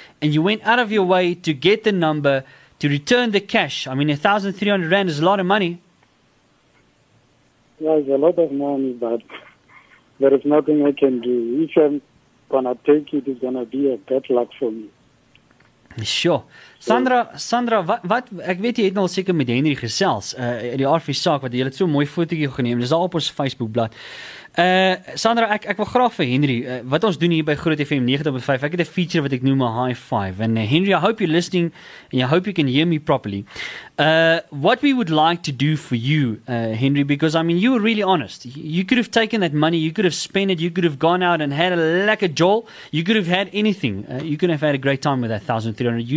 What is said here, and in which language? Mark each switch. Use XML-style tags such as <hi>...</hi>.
<en>And you went out of your way to get the number to return the cash. I mean, R1,300 is a lot of money. Yeah, it's a lot of money, but there is nothing I can do. If I'm going to take it, it's going to be a bad luck for me. Sure.</en> <af>Sandra, wat ek weet jy het al seker met Henry gesels, die Arfie saak wat jy het so mooi fotootjie geneem. Dis al op ons Facebook blad. Sandra, ek wil graag vir Henry, wat ons doen hier by Groot FM 90.5. Ek het 'n feature wat ek noem 'n high five.</af> <en>And Henry, I hope you're listening and I hope you can hear me properly. What we would like to do for you, Henry, because I mean you were really honest. You could have taken that money, you could have spent it, you could have gone out and had a lekker jol. You could have had anything. You could have had a great time with that 1300.</en>